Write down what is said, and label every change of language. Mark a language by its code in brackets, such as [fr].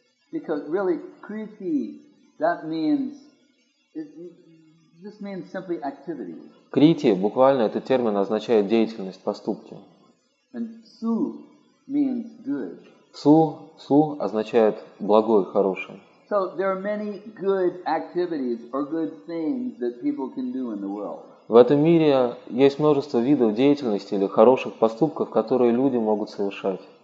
[en] Because really, Kriti, that means, it just means simply activity. [ru] Крити, буквально этот термин означает деятельность, поступки. [en] And su means good. [ru] Су означает благой, хороший. [en] So there are many good activities or good things that people can do in the world. [ru] В этом мире есть множество видов деятельности или хороших поступков, которые люди могут совершать.